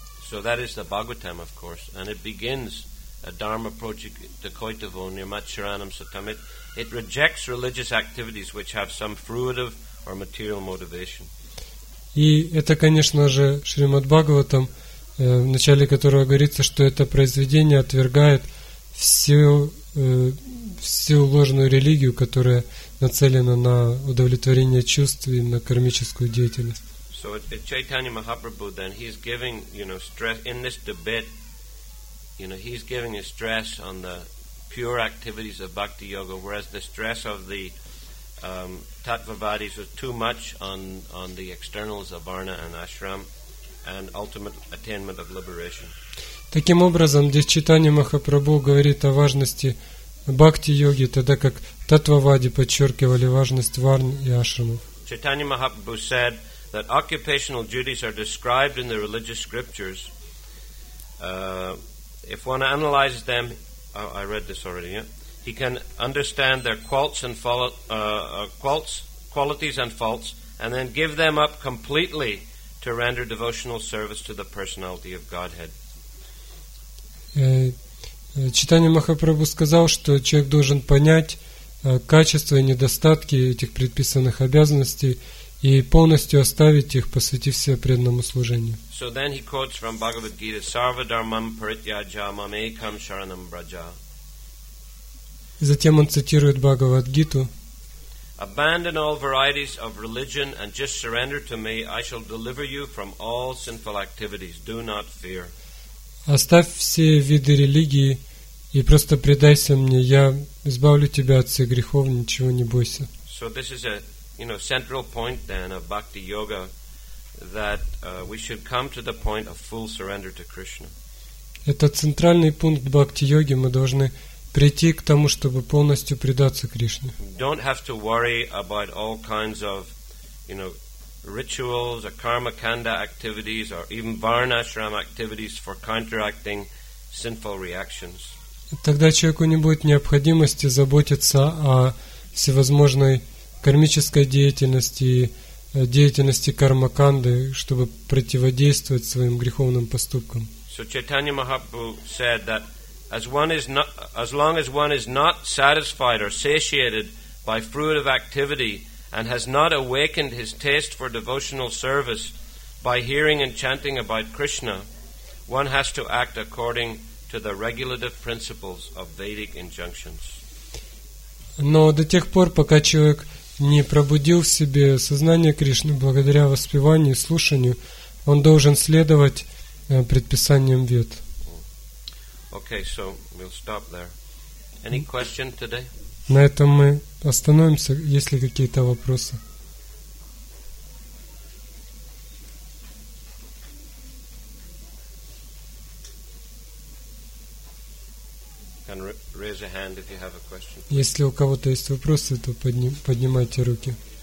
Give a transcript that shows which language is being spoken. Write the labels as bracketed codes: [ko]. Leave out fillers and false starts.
[en] So that is the Bhagavatam, of course, and it begins a Dharma Prajnakoitavo near Matsyaranam Sutamit. It rejects religious activities which have some fruitive or material motivation. [ru] И это, конечно же, Шримад Бхагаватам, в начале которого говорится, что это произведение отвергает всю ложную религию, которая нацелена на удовлетворение чувств и на кармическую деятельность. [en] So it's Chaitanya Mahaprabhu then, he's giving, you know, stress in this debate, you know, he's giving a stress on the pure activities of bhakti yoga, whereas the stress of the tattvavadis was too much on the externals of varna and ashram and ultimate attainment of liberation. [ru] Таким образом, здесь Чайтанья Махапрабху говорит о важности бхакти-йоги, тогда как таттва-вади подчеркивали важность варн и ашрамов. [en] Чайтанья Махапрабху said that occupational duties are described in the religious scriptures. If one analyzes them, I read this already, yeah? He can understand their qualities and faults, and then give them up completely to render devotional service to the personality of Godhead. [ru] Чайтанья Махапрабху сказал, что человек должен понять качества и недостатки этих предписанных обязанностей и полностью оставить их, посвятив себя преданному служению. [en] So then he quotes from Bhagavad Gita, [sa] Sarva dharmam parityaja mam ekam sharanam braja. [ru] Затем он цитирует Бхагавад Гиту. [en] Abandon all varieties of religion and just surrender to me. I shall deliver you from all sinful activities. Do not fear. [ru] Оставь все виды религии и просто предайся мне. Я избавлю тебя от всех грехов, ничего не бойся. [en] So this is a, you know, central point then of bhakti yoga, that we should come to the point of full surrender to Krishna. [ru] Это центральный пункт бхакти йоги. Мы должны прийти к тому, чтобы полностью предаться Кришне. [en] Don't have to worry about all kinds of, you know, rituals or karmakanda activities or even varnashram activities for counteracting sinful reactions. [ru] Тогда человеку не будет необходимости заботиться о всевозможной кармической деятельности, деятельности кармаканды, чтобы противодействовать своим греховным поступкам. [en] So Chaitanya Mahaprabhu said that as long as one is not satisfied or satiated by fruit of activity and has not awakened his taste for devotional service by hearing and chanting about Krishna, one has to act according to the regulative principles of Vedic injunctions. [ru] Но до тех пор, пока человек не пробудил в себе сознание Кришны благодаря воспеванию и слушанию, он должен следовать предписаниям Вед. [en] Okay, so we'll stop there. Any question today? [ru] На этом мы остановимся. Есть ли какие-то вопросы? [en] Can raise a hand if you have a question. [ru] Если у кого-то есть вопросы, то поднимайте руки.